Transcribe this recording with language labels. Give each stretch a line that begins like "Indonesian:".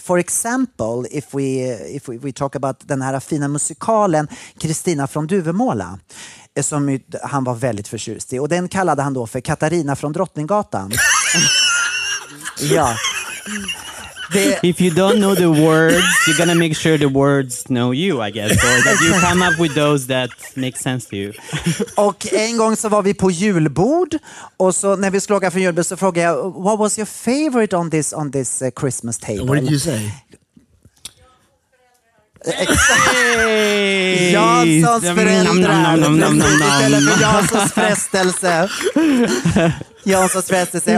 English: For example, if we talk about
Swedish: den här fina musikalen Kristina från Duvemåla, som han var väldigt förtjust i. Och den kallade han då för Katarina från Drottninggatan. Ja.
English: If you don't know the words, you're gonna make sure the words know you, I guess. Or that you come up with those that make sense to you.
Swedish: Och en gång så var vi på julbord. Och så när vi slog för julbord så frågade jag,
English: what was your favorite on this Christmas table? What did you say?
Swedish: Janssons föräldrar. Janssons frestelse. Janssons frestelse.